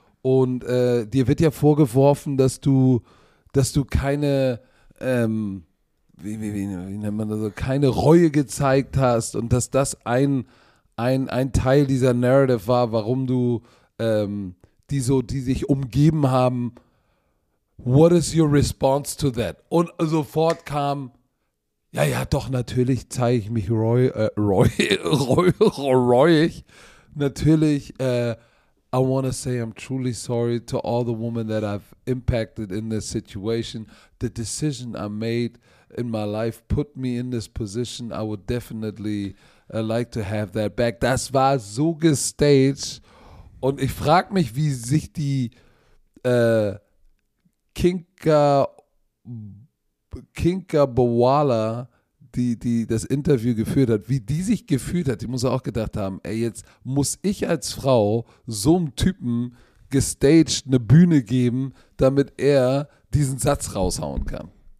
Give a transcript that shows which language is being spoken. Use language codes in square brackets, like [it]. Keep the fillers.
[de] Und äh, dir wird ja vorgeworfen, dass du, dass du keine, ähm, wie, wie, wie, wie nennt man das, so, keine Reue gezeigt hast und dass das ein, ein, ein Teil dieser Narrative war, warum du ähm, die so, die sich umgeben haben. [en] What is your response to that? [de] Und sofort kam, ja, ja, doch, natürlich zeige ich mich reu, äh, reu, reu, reuig. [en] Natürlich, äh, I want to say I'm truly sorry to all the women that I've impacted in this situation. The decision I made in my life put me in this position. I would definitely uh, like to have that back. [de] Das war so gestaged. Und ich frage mich, wie sich die äh, Kinka Kinka Bowala, die, die das Interview geführt hat, wie die sich gefühlt hat, die muss auch gedacht haben, ey, jetzt muss ich als Frau so einem Typen gestaged eine Bühne geben, damit er diesen Satz raushauen kann.